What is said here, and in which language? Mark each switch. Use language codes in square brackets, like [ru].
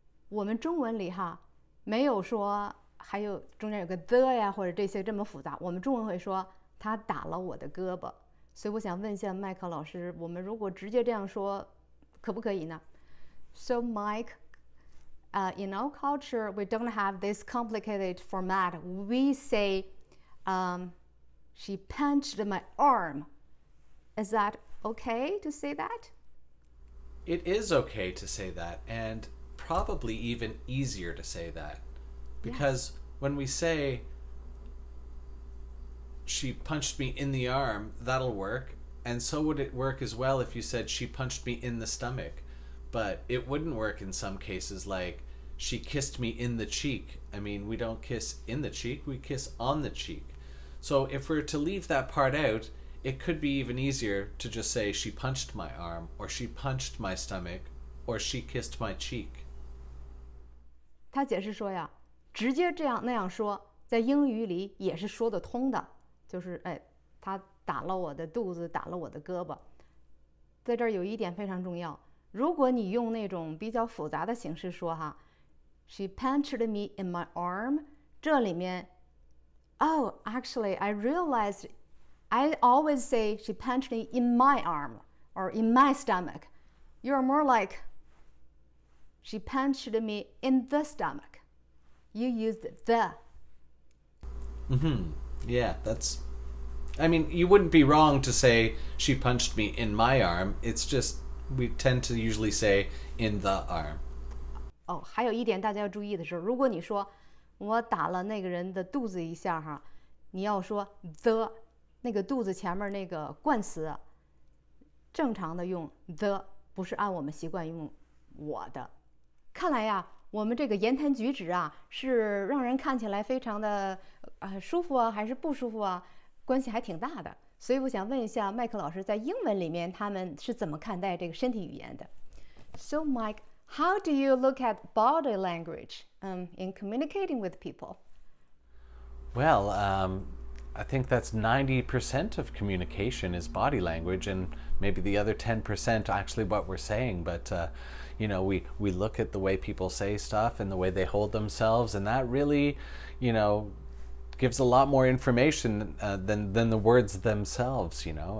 [zh] 我们中文里哈没有说还有中间有个的呀或者这些这么复杂，我们中文会说他打了我的胳膊。所以我想问一下麦克老师，我们如果直接这样说可不可以呢？ [en] So Mike, in our culture we don't have this complicated format. We say she punched my arm. Is that okay to say that? It is okay to say that andprobably even easier to say that because、 yes. when we say she punched me in the arm that'll work and so would it work as well if you said she punched me in the stomach but it wouldn't work in some cases like she kissed me in the cheek I mean we don't kiss in the cheek we kiss on the cheek so if we're to leave that part out it could be even easier to just say she punched my arm or she punched my stomach or she kissed my cheek [zh] 他解释说呀，直接这样那样说，在英语里也是说得通的。就是哎，他打了我的肚子，打了我的胳膊。在这儿有一点非常重要，如果你用那种比较复杂的形式说哈 ， [en] She punched me in my arm。 [zh] 这里面 [en] ，Oh, actually, I realized, I always say she punched me in my arm or in my stomach. You're more like. She punched me in the stomach. You used the. Mm-hmm. Yeah, that's... I mean, you wouldn't be wrong to say she punched me in my arm. It's just we tend to usually say in the arm. [zh] Oh, 还有一点大家要注意的是，如果你说我打了那个人的肚子一下哈，你要说 the 那个肚子前面那个冠词，正常的用 the， 不是按我们习惯用我的。看来呀，我们这个言谈举止啊，是让人看起来非常的舒服啊，还是不舒服啊，关系还挺大的。所以我想问一下麦克老师，在英文里面他们是怎么看待这个身体语言的？ [en] So Mike, how do you look at body language in communicating with people? Well, I think that's 90% of communication is body language, and maybe the other 10% actually what we're saying. But, you know, we look at the way people say stuff and the way they hold themselves, and that really, you know, gives a lot more information than the words themselves, you know.